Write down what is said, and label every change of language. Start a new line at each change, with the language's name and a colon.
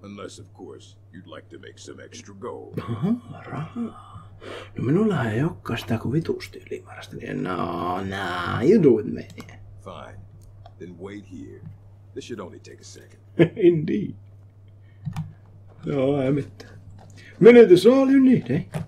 English: Unless of course you'd like to make some extra gold.
Finnish: Rahaa. No minullahan ei olekaan sitä kuin vitusti ylimääräistä.
English: No, nah, you do it, man. Fine. Then wait here. This should only take a second. Indeed.
Finnish: Joo, ei mitään.
English: Minute is all you need, eh?